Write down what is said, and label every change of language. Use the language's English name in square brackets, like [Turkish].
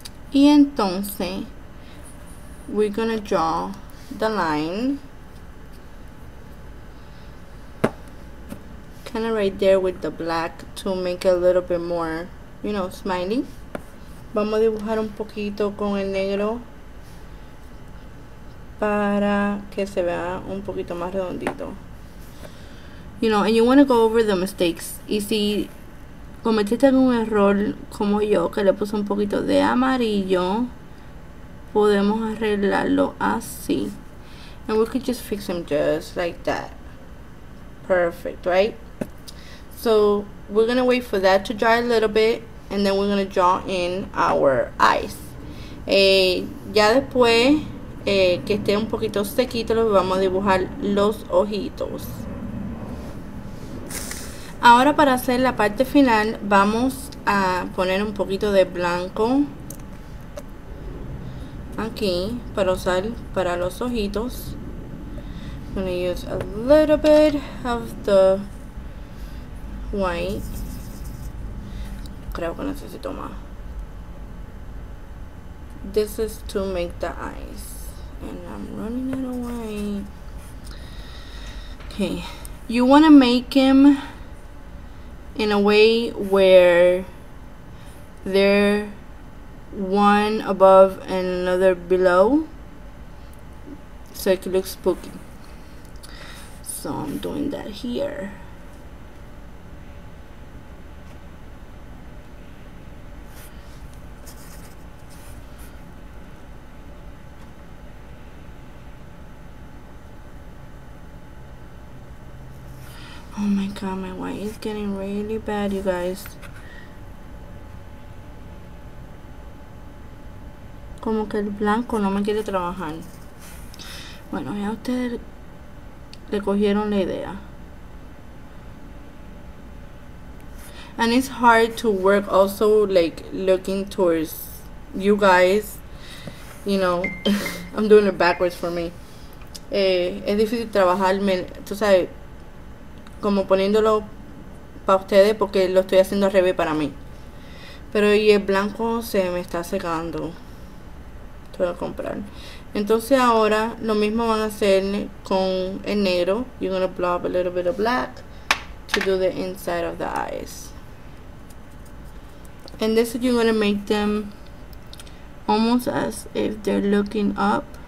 [Spanish] Y entonces [English] we're gonna draw the line kind of right there with the black to make it a little bit more, you know, smiley. [Spanish] Vamos a dibujar un poquito con el negro para que se vea un poquito más redondito. [English] You know, and you want to go over the mistakes. [Spanish] Y si cometiste algún error como yo, que le puse un poquito de amarillo, podemos arreglarlo así. [English] And we could just fix them just like that. Perfect, right? So, we're going to wait for that to dry a little bit, and then we're going to draw in our eyes. [Spanish] Ya después, que esté un poquito sequito, lo vamos a dibujar los ojitos. Ahora para hacer la parte final, vamos a poner un poquito de blanco aquí para usar para los ojitos. [English] I'm gonna use a little bit of the white. [Spanish] Creo que necesito más. [English] This is to make the eyes. And I'm running out of white. Okay. You want to make them in a way where they're one above and another below, so it looks spooky. So I'm doing that here. Oh my god, my white is getting really bad, you guys. [Spanish] Como que el blanco no me quiere trabajar. Bueno, ya ustedes le cogieron la idea. [English] And it's hard to work also, like, looking towards you guys. You know, I'm doing it backwards for me. [Spanish] Es difícil trabajarme, tú sabes, como poniéndolo para ustedes, porque lo estoy haciendo al revés para mí. Pero y el blanco se me está secando. Te voy a comprar. Entonces ahora lo mismo van a hacer con el negro. [English] You're gonna blob a little bit of black to do the inside of the eyes. And this is, you're going to make them almost as if they're looking up.